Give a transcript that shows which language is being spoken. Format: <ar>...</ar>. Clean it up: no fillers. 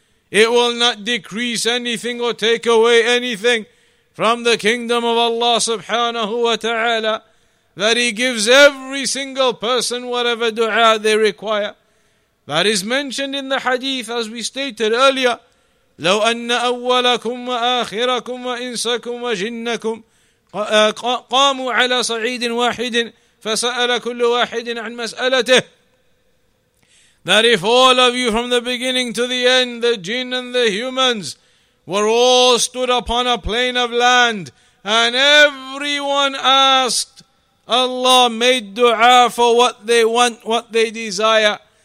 <en>It will not decrease anything or take away anything from the kingdom of Allah subhanahu wa ta'ala, that He gives every single person whatever dua they require. That is mentioned in the hadith, as we stated earlier.</en> <ar>لو أن أولكم وآخركم وإنسكم وجنكم قاموا على صعيد واحد فسأل كل واحد عن مسألته.</ar> <en>That if all of you from the beginning to the end, the jinn and the humans, were all stood upon a plain of land, and everyone asked Allah, made dua for what they want, what they desire.</en>